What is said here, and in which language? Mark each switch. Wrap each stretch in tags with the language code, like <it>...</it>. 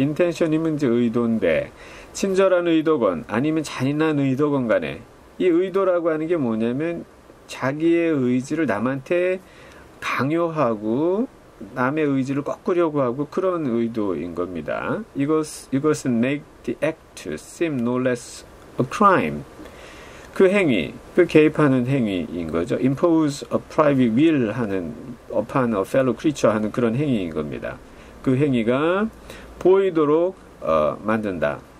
<ko>intention이면 이제 의도인데 친절한 의도건 아니면 잔인한 의도건 간에 이 의도라고 하는 게 뭐냐면 자기의 의지를 남한테 강요하고 남의 의지를 꺾으려고 하고 그런 의도인 겁니다. 이것은</ko> <en>make the act seem no less a crime.</en> <ko>그 행위, 그 개입하는 행위인 거죠.</ko> <en>impose a private will 하는 upon a fellow creature</en> <ko>하는 그런 행위인 겁니다. 그 행위가 보이도록 만든다.</ko>